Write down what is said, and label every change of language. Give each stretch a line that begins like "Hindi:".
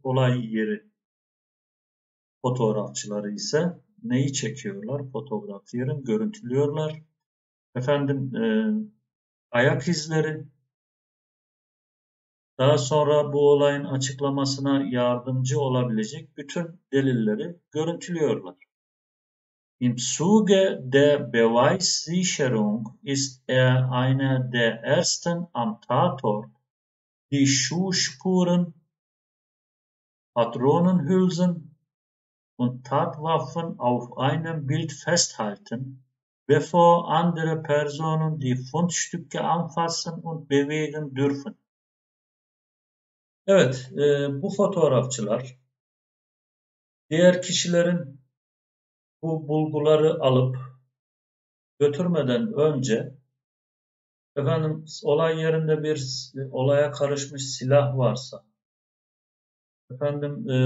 Turkish: Olay yeri fotoğrafçıları ise neyi çekiyorlar? Fotoğraf yerini görüntülüyorlar. Efendim, ayak izleri. Daha sonra bu olayın açıklamasına yardımcı olabilecek bütün delilleri görüntülüyorlar.
German: Im Zuge der Beweissicherung ist eine der ersten am Tatort die Schuhspuren, Patronenhülsen und Tatwaffen auf einem Bild festhalten, bevor andere Personen die Fundstücke anfassen und bewegen dürfen.
Turkish: Evet, bu fotoğrafçılar diğer kişilerin bu bulguları alıp götürmeden önce, efendim, olay yerinde bir olaya karışmış silah varsa, efendim,